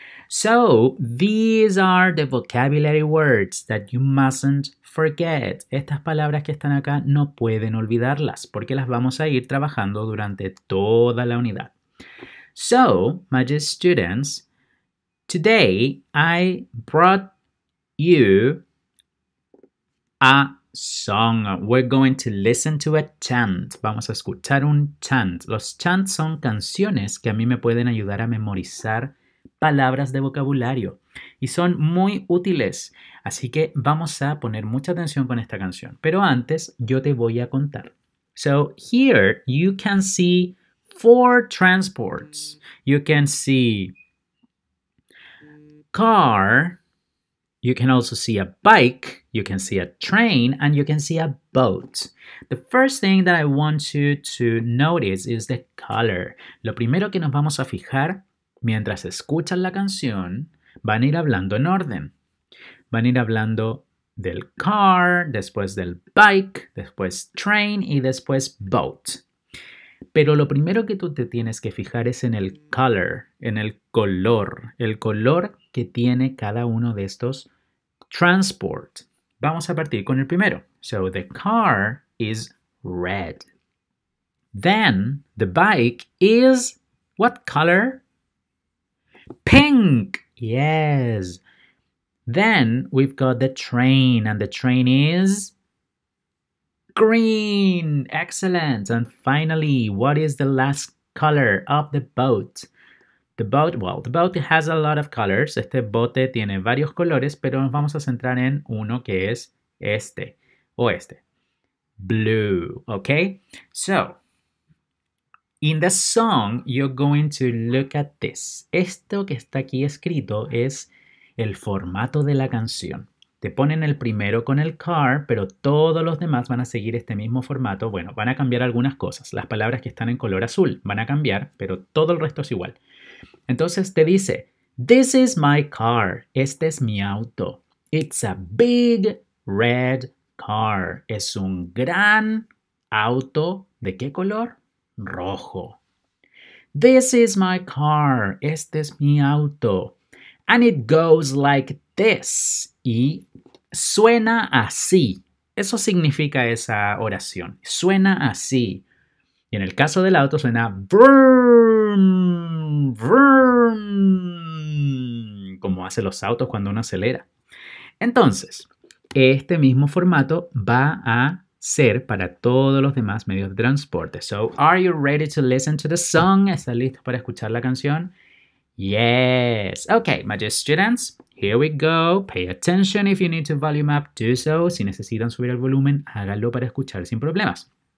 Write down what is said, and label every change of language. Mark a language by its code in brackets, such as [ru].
[en] So, these are the vocabulary words that you mustn't forget. [es] Estas palabras que están acá no pueden olvidarlas porque las vamos a ir trabajando durante toda la unidad. [en] So, my dear students, today I brought you a song. We're going to listen to a chant. [es] Vamos a escuchar un chant. Los chants son canciones que a mí me pueden ayudar a memorizar palabras de vocabulario y son muy útiles, así que vamos a poner mucha atención con esta canción, pero antes yo te voy a contar. [en] So here you can see four transports. You can see car, you can also see a bike, you can see a train, and you can see a boat. The first thing that I want you to notice is the color. [es] Lo primero que nos vamos a fijar mientras escuchan la canción, van a ir hablando en orden. Van a ir hablando del car, después del bike, después train y después boat. Pero lo primero que tú te tienes que fijar es en el color, en el color que tiene cada uno de estos transport. Vamos a partir con el primero. [en] So the car is red. Then the bike is what color? Pink. Yes. Then we've got the train, and the train is green. Excellent. And finally, what is the last color of the boat? The boat, well, the boat has a lot of colors. [es] Este bote tiene varios colores, pero nos vamos a centrar en uno que es este o este. [en] Blue, okay? So, in the song, you're going to look at this. [es] Esto que está aquí escrito es el formato de la canción. Te ponen el primero con el car, pero todos los demás van a seguir este mismo formato. Bueno, van a cambiar algunas cosas. Las palabras que están en color azul van a cambiar, pero todo el resto es igual. Entonces te dice, [en] this is my car. [es] Este es mi auto. [en] It's a big red car. [es] Es un gran auto. ¿De qué color? Rojo. [en] This is my car. [es] Este es mi auto. [en] And it goes like this. [es] Y suena así. Eso significa esa oración. Suena así. Y en el caso del auto suena vroom, vroom, como hacen los autos cuando uno acelera. Entonces, este mismo formato va a ser para todos los demás medios de transporte. [en] So, are you ready to listen to the song? [es] ¿Estás listo para escuchar la canción? [en] Yes. Okay, my dear students, here we go. Pay attention if you need to volume up, do so. [es] Si necesitan subir el volumen, háganlo para escuchar sin problemas.